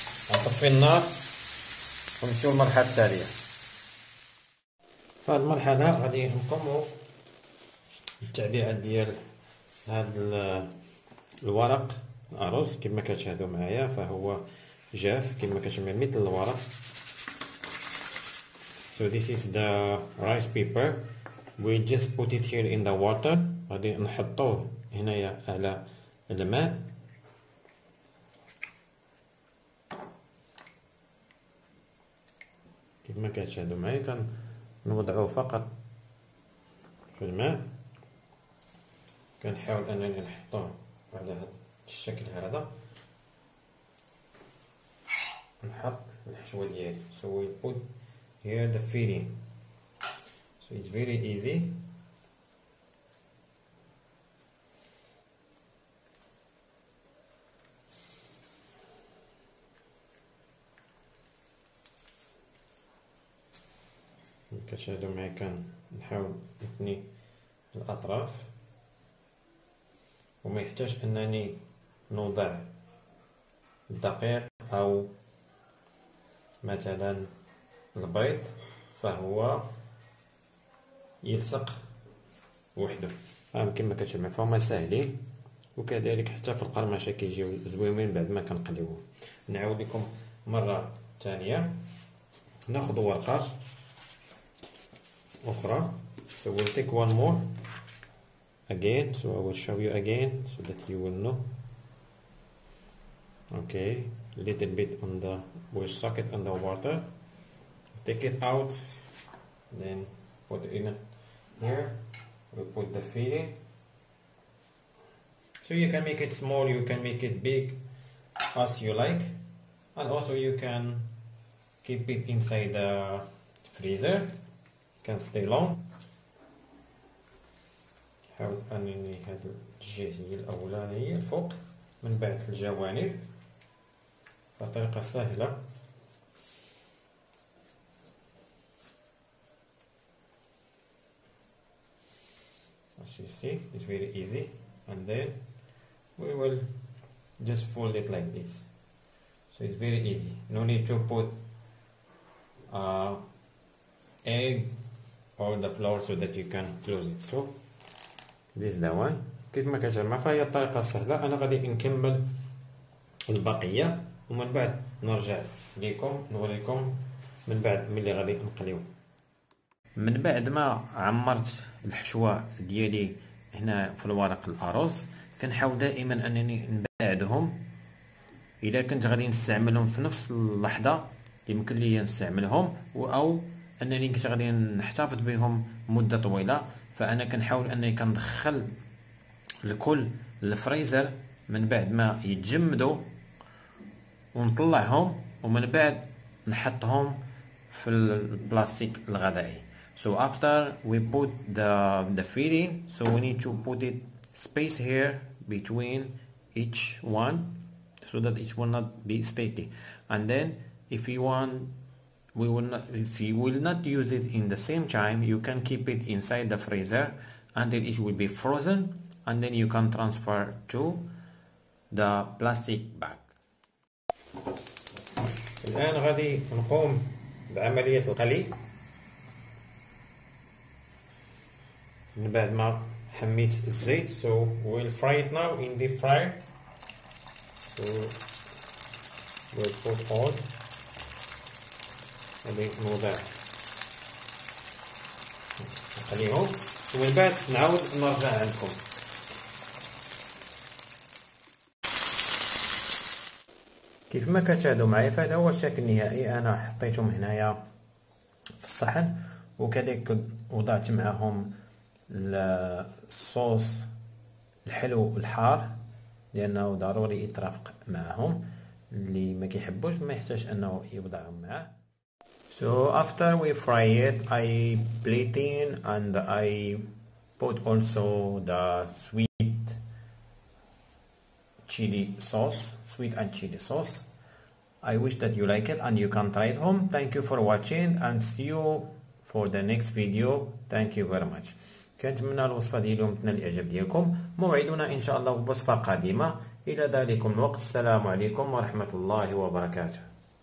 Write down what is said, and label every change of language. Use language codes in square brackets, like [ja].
[ar] نطفي النار ونمشيو المرحلة التالية. فهاد المرحلة غادي نقومو بالتعبئة ديال هاد الورق الأرز كما كتشاهدو معايا، فهو جاف كما كتشمع مثل الورق. [en] So this is the rice paper. We just put it here in the water. [ar] غادي نحطوه هنايا على الماء. كما كتشاهدو معايا كان نوضعه فقط في الماء. كنحاول انني نحطه على هذا الشكل هذا. نحط الحشوة ديالي. [en] So we put here the filling. So it's very easy. [ar] كنشدو معايا كنحاول نثني الاطراف، وما يحتاج انني نوضع الدقيق او مثلا البيض، فهو يلصق وحده. فهم كما كتشوف معايا فهما ساهلين، وكذلك حتى في القرمشه كيجيو زوينين بعد ما كنقليوهم. نعاود لكم مره ثانيه، ناخذ ورقه اخرى. [en] So we'll take one more again. So I will show you again so that you will know. Okay, little bit on the wash socket on the water. Take it out, then put it in here. We put the filling. So you can make it small, you can make it big as you like. And also you can keep it inside the freezer. Can stay long. [ar] حاول انني هذا الجهه الاولانيه الفوق من بعد الجوانب بطريقه سهله. [en] As you see, it's very easy. And then we will just fold it like this. So it's very easy. No need to put egg or the flour so that you can close it. So this the one. [ar] كيف ما كتجمع فهي الطريقة سهلة. أنا غادي نكمل البقية ومن بعد نرجع لكم نوريكم من بعد ملي غادي نقليو. من بعد ما عمرت الحشوة ديالي هنا في الورق الأرز، كنحاول دائما أنني نبعدهم. إذا كنت غادي نستعملهم في نفس اللحظة يمكن لي نستعملهم، أو أنني كنت غادي نحتفظ بهم مدة طويلة، فأنا كنحاول أنني كندخل الكل الفريزر من بعد ما يتجمدوا ونطلعهم، ومن بعد نحطهم في البلاستيك الغذائي. [en] So after we put the filling, so we need to put it space here between each one so that it will not be sticky. And then if you want, if you will not use it in the same time, you can keep it inside the freezer until it will be frozen, and then you can transfer to the plastic bag. [ar] الان غادي نقوم بعمليه القلي. من بعد ما حميت الزيت، [en] so we'll fry it now in the fryer. So we'll put on and then move that. [ar] نقليهم ومن بعد نعاود نرجع عندكم. كيف ما كتشاهدوا معايا فهذا هو الشكل النهائي. انا حطيتهم هنايا في الصحن، وكذلك وضعت معاهم الصوص الحلو الحار لانه ضروري يترافق معهم. اللي ما كيحبوش ما يحتاج انه يوضعهم معاه. [en] So after we fry it, I plate in and I put also the sweet chili sauce, sweet and chili sauce. I wish that you like it and you can try it home. Thank you for watching and see you for the next video. Thank you very much. [ar] كنتمنى الوصفة ديالكم تنال الإعجاب ديالكم. موعدنا إن شاء الله بوصفة قادمة. إلى ذلك الوقت، السلام عليكم ورحمة الله وبركاته.